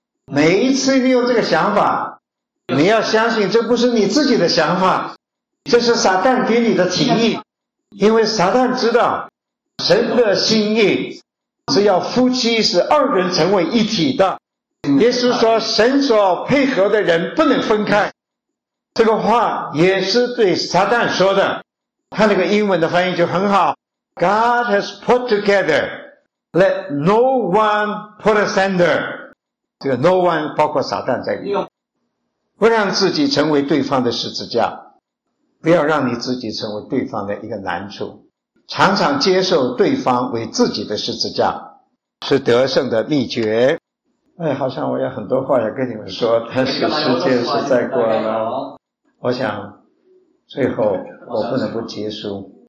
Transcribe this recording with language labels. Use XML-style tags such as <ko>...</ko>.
<zh>每一次你有这个想法，你要相信这不是你自己的想法，这是撒旦给你的提议。因为撒旦知道神的心意是要夫妻是二人成为一体的。耶稣说神所配合的人不能分开，这个话也是对撒旦说的。他那个英文的翻译就很好，</zh> <en>God has put together, let no one put asunder。</en> <zh>这个 no one 包括撒旦在里面，不让自己成为对方的十字架，不要让你自己成为对方的一个难处，常常接受对方为自己的十字架，是得胜的秘诀。哎，好像我有很多话要跟你们说，但是时间实在过了，我想最后我不能不结束。</zh>